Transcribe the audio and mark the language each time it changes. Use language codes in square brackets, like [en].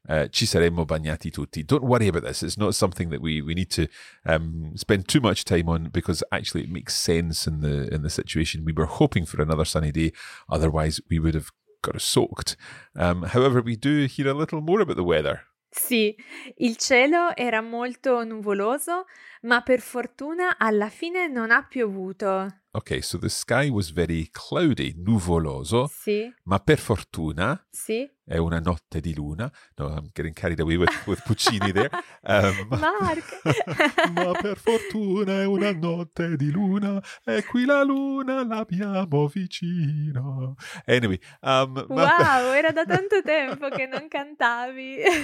[it] Ci saremmo bagnati tutti. [en] Don't worry about this. It's not something that we need to spend too much time on, because actually it makes sense in the situation. We were hoping for another sunny day. Otherwise, we would have got soaked. However, we do hear a little more about the weather. [it] Sì, il cielo era molto nuvoloso, ma per fortuna alla fine non ha piovuto. [en] Okay, so the sky was very cloudy, nuvoloso. [it] Sì. Ma per fortuna. Sì. È una notte di luna. [en] No, I'm getting carried away with Puccini there. Mark. [it] Ma per fortuna è una notte di luna. E qui la luna l'abbiamo vicino. [en] Anyway. [it] Wow, era da tanto tempo che non cantavi.